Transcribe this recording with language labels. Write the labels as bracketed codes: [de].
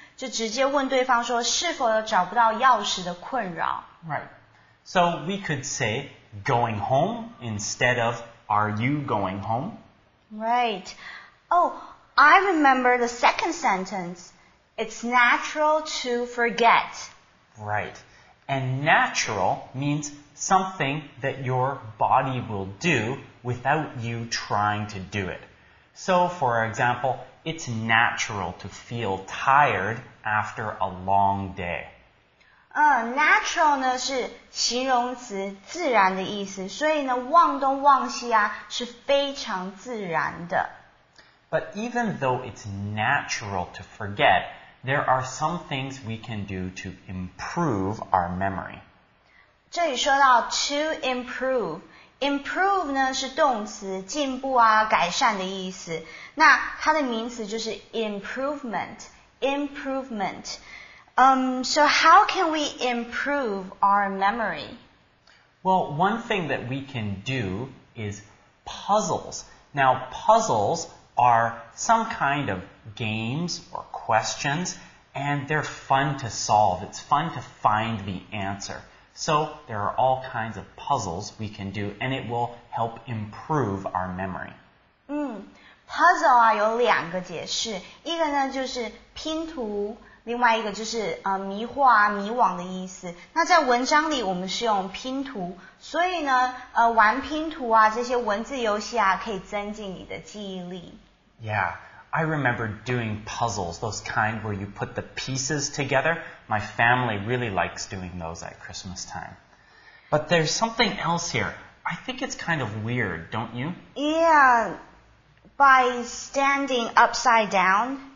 [zh] 就直接问对方说是否有找不到钥匙的困扰。 [en] Right. So we could say going home instead of Are you going home? Right. Oh,I remember the second sentence. It's natural to forget. Right. And natural means something that your body will do without you trying to do it. So, for example, it's natural to feel tired after a long day. [zh] Natural 呢是形容词自然的意思。所以呢忘东忘西啊是非常自然的。 [en] But even though it's natural to forget, there are some things we can do to improve our memory. [zh] 这里说到 to improve. Improve 呢是动词进步啊改善的意思。那它的名词就是 improvement. Improvement. [en] So how can we improve our memory? Well, one thing that we can do is puzzles. Now, puzzles... are some kind of games or questions, and they're fun to solve. It's fun to find the answer. So there are all kinds of puzzles we can do, and it will help improve our memory. [zh] Puzzle 啊有两个解释，一个呢就是拼图，另外一个就是迷惑啊迷惘的意思。那在文章里我们是用拼图，所以呢玩拼图啊这些文字游戏啊可以增进你的记忆力。 [en] Yeah, I remember doing puzzles, those kind where you put the pieces together. My family really likes doing those at Christmas time. But there's something else here. I think it's kind of weird, don't you? Yeah, By standing upside down?